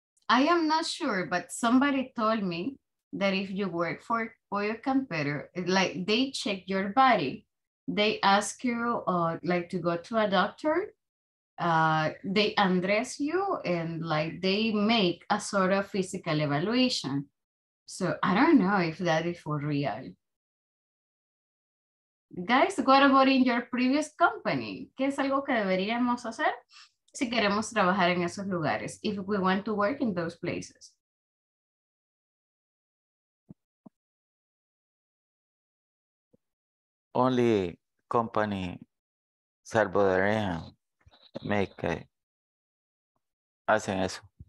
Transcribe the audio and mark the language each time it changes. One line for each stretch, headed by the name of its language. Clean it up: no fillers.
English: I am not sure, but somebody told me that if you work for Pollo Campero, like they check your body, they ask you like to go to a doctor, they undress you and like they make a sort of physical evaluation. So I don't know if that is for real. Guys, what about in your previous company?
Spanish: ¿Qué es algo que deberíamos hacer si queremos trabajar en esos lugares?
English: If we want to work in those places. Only company salvadoreña make
Spanish: hacen eso.